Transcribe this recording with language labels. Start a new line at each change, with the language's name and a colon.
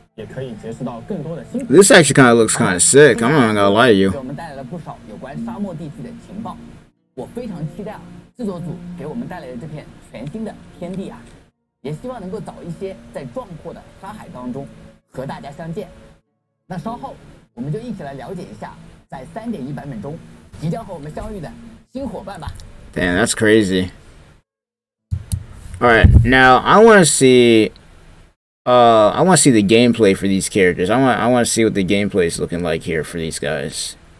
English: This actually kind of looks kind of sick. I'm not going to lie to you.
Chinese: 我非常期待制作组给我们带来的这片全新的天地啊，也希望能够早一些在壮阔的沙海当中和大家相见。那稍后我们就一起来了解一下在 3.1 版本中即将和我们相遇的新伙伴吧。
English: Damn, that's crazy. Alright, now I want to see the gameplay for these characters. I want to see what the gameplay is looking like here for these guys.